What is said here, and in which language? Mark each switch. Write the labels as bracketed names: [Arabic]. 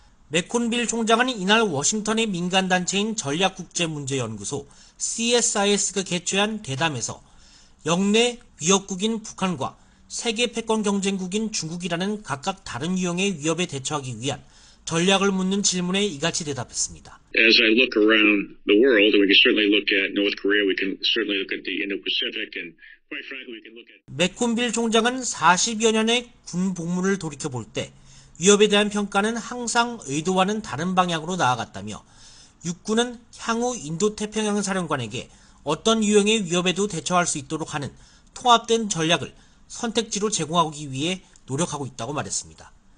[Korean] 맥콘빌 총장은 이날 워싱턴의 민간단체인 전략국제문제연구소 CSIS가 개최한 대담에서 역내 위협국인 북한과 세계 패권 경쟁국인 중국이라는 각각 다른 유형의 위협에 대처하기 위한 전략을 묻는 질문에 이같이 대답했습니다. [English] As I look around the world, we can certainly look at North Korea, we can certainly look at the Indo-Pacific, and quite frankly, we can look at. [Korean] 맥콘빌 총장은 40여 년의 군 복무를 돌이켜 볼 때 위협에 대한 평가는 항상 의도와는 다른 방향으로 나아갔다며 육군은 향후 인도태평양 사령관에게 어떤 유형의 위협에도 대처할 수 있도록 하는 통합된 전략을 선택지로 제공하기 위해 노력하고 있다고 말했습니다.